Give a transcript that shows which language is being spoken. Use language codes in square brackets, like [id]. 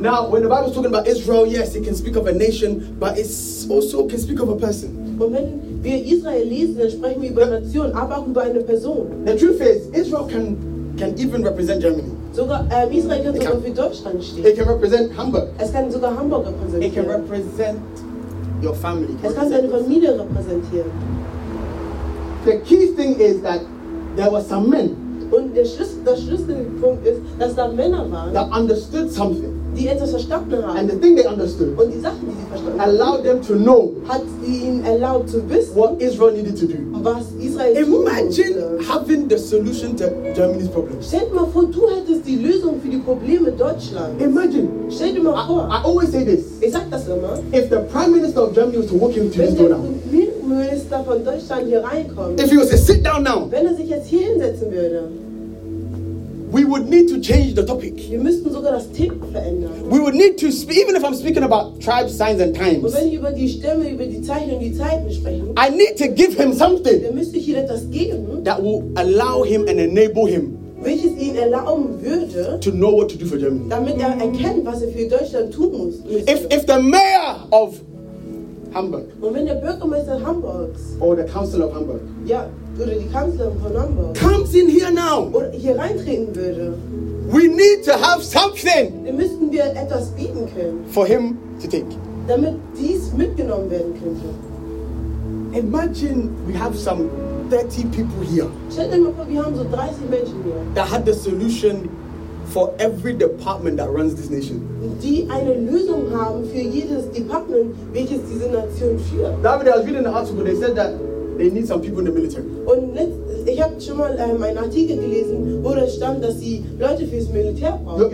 [en] Now, when the Bible is talking about Israel, yes, it can speak of a nation, but it also can speak of a person. [de] Und wenn wir Israel lesen, dann sprechen wir über Nation, aber auch über eine Person. [en] The truth is, Israel can even represent Germany. [de] Sogar Israel kann sogar für Deutschland stehen. [en] It can represent Hamburg. [de] Es kann sogar Hamburg repräsentieren. [en] It can represent your family. [de] Es kann deine Familie repräsentieren. [en] The key thing is that there were some men. [de] Und der Schlüsselpunkt ist, dass da Männer waren. [en] That understood something. [de] Die etwas verstanden haben. [en] And the thing they understood. [de] Und die Sachen, die sie verstanden haben. [en] Allowed them to know. [de] Hat ihnen erlaubt zu wissen. [en] What Israel needed to do. [de] Was Israel tun musste. [en] Imagine having the solution to Germany's problems. [de] Stell dir mal vor, du hättest die Lösung für die Probleme Deutschlands. [en] Imagine. [de] Stell dir mal vor. [en] I always say this. [de] Ich sag das immer. [en] If the Prime Minister of Germany was to walk into this door now. [de] Von Deutschland hier reinkommt. [en] If he was to sit down now. [de] Wenn er sich jetzt hier hinsetzen würde. [en] We would need to change the topic. [de] Wir müssten sogar das Thema verändern. [en] We would need to speak, even if I'm speaking about tribes, signs and times. [de] Und wenn ich über die Stämme, über die Zeichen und die Zeiten spreche. [en] I need to give him something. [de] Dann müsste ich ihm etwas geben. [en] That will allow him and enable him. [de] Welches ihn erlauben würde. [en] To know what to do for Germany. [de] Damit er erkennt, was er für Deutschland tun muss. [en] If the mayor of Hamburg. [de] Und wenn der Bürgermeister Hamburgs. [en] Or the council of Hamburg. [de] Ja, oder die Kanzlerin von Hamburg. [en] Comes in here now. [de] Oder hier reintreten würde. [en] We need to have something. [de] Dann müssten wir etwas bieten können. [en] For him to take. [de] Damit dies mitgenommen werden könnte. [en] Imagine we have some 30 people here. [de] Stell dir mal vor, wir haben so 30 Menschen hier. [en] That had the solution for every department that runs this nation. [de] Die eine Lösung haben für jedes Department, welches diese Nation führt. [en] David, I was reading an article. They said that they need some people in the military. [de] Und ich habe schon mal einen Artikel gelesen, wo da stand, dass sie Leute fürs Militär brauchen.